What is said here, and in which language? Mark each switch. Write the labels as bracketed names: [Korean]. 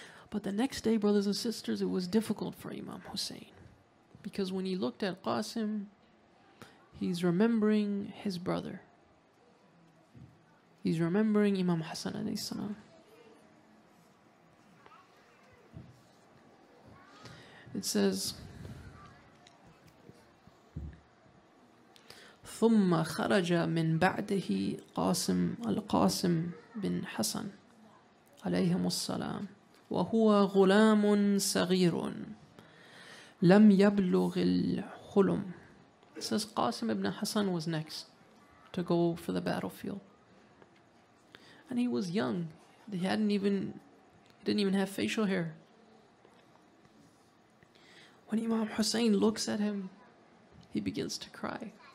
[English] But the next day, brothers and sisters, it was difficult for Imam Hussein. Because when he looked at Qasim, He's remembering his brother. He's remembering Imam Hassan alayhi salam. It says, [Arabic] ثم خرج من بعده قاسم القاسم بن حسن عليهم السلام وهو غلام صغير لم يبلغ الحلم. [English] It says Qasim ibn Hassan was next to go for the battlefield, and he was young. He didn't even have facial hair. When Imam Hussein looks at him, he begins to cry.